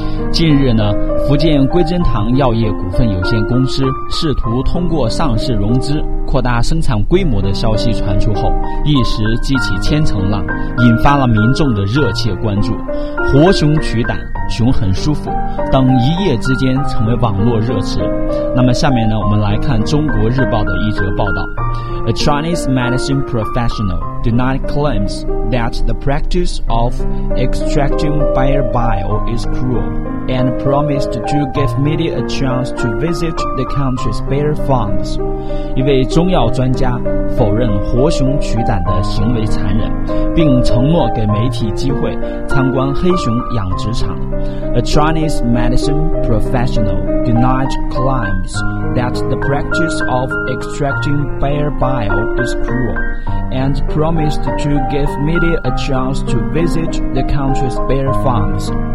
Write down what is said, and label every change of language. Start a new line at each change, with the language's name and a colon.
Chinese: 近日呢，福建归真堂药业股份有限公司试图通过上市融资扩大生产规模的消息传出后，一时激起千层浪，引发了民众的热切关注。活熊取胆，熊很舒服等一夜之间成为网络热词。那么下面呢，我们来看中国日报的一则报道。
English: A Chinese medicine professional denied claims that the practice of extracting bile bile is cruel and promised to give media a chance to visit the country's bear farms.
Chinese: 一位中药专家否认活熊取胆的行为残忍，并承诺给媒体机会参观黑熊养殖场。
English: A Chinese medicine professional denied claims that the practice of extracting bear bile is cruel and promised to give media a chance to visit the country's bear farms.